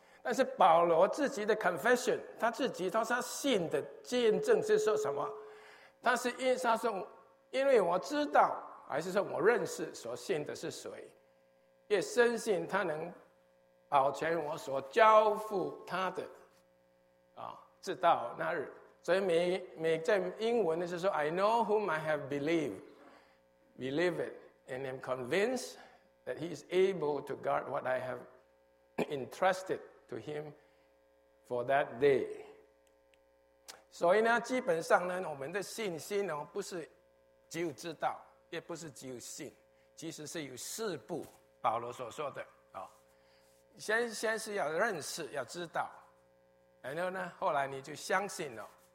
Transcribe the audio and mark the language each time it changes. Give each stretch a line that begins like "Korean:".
Chinese: 但是保罗自己的 confession， 他自己他说信的见证是说什么？他是因他说，因为我知道，还是说我认识所信的是谁，也深信他能保全我所交付他的啊，直到那日。所以每在英文的是说
English: ，I know whom I have believed and am convinced that he is able to guard what I have entrusted to him for that day。
Chinese: 所以呢，基本上呢，我们的信心呢，不是只有知道，也不是只有信，其实是有四步。保罗所说的啊，先是要认识，要知道，然后呢，后来你就相信了。